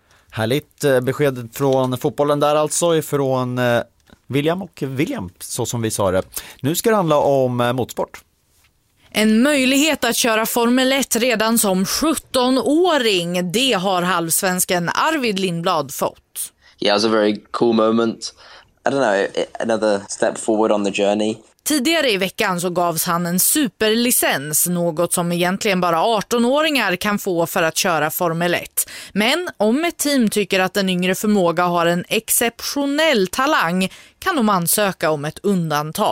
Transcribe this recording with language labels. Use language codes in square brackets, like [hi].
[sv] Härligt besked från fotbollen där alltså, ifrån William och William, så som vi sa det. Nu ska det handla om motorsport. En möjlighet att köra Formel 1 redan som 17-åring, det har halvsvensken Arvid Lindblad fått. [en] Yeah, it's a very cool moment. I don't know, another step forward on the journey. [sv] Tidigare i veckan så gavs han en superlicens, något som egentligen bara 18-åringar kan få för att köra Formel 1. Men om ett team tycker att den yngre förmåga har en exceptionell talang kan de ansöka om ett undantag.